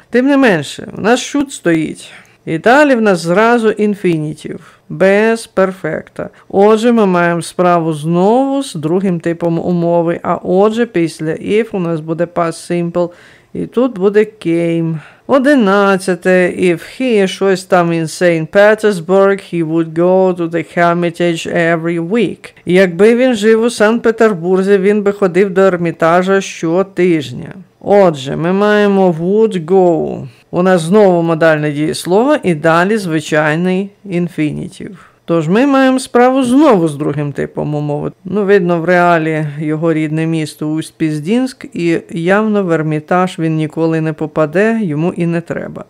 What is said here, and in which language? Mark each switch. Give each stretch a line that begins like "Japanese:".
Ukrainian: Тим не менше, у нас шут стоїть. І далі в нас зразу інфінітів, без перфекта. Отже, ми маємо справу знову з другим типом умови, а отже, після if у нас буде past simple, і тут буде came.
English: 11. If he
Ukrainian: щось там
English: in St. Petersburg, he would go to the Hermitage every week.
Ukrainian: Якби він жив у Санкт-Петербурзі, він би ходив до Ермітажа щотижня. Отже, ми маємо
English: would go.
Ukrainian: У нас знову модальне дієслово і далі звичайний інфінітів. Тож ми маємо справу знову з другим типом умови. Ну, видно, в реалі його рідне місто Усть-Піздінськ, і явно в Ермітаж він ніколи не попаде, йому і не треба.